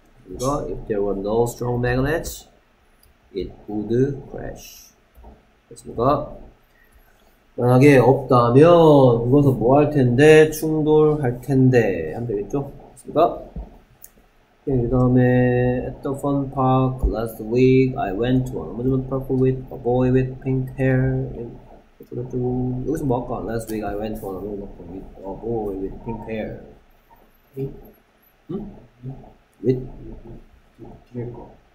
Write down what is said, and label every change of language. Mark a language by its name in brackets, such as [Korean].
[English] 이거 if there were no strong magnets, it would crash. [Korean] 됐습니까? 만약에 없다면 그것서 뭐 할 텐데 충돌할 텐데 하면 되겠죠? 됐습니까? 네, 그다음에 [English] at the fun park last week, I went to an amusement park with a boy with pink hair. [Korean] 여기서 뭐 할까? [English] Last week, I went to an amusement park with a boy with pink hair. [Korean] 응? With? 뒤에 거.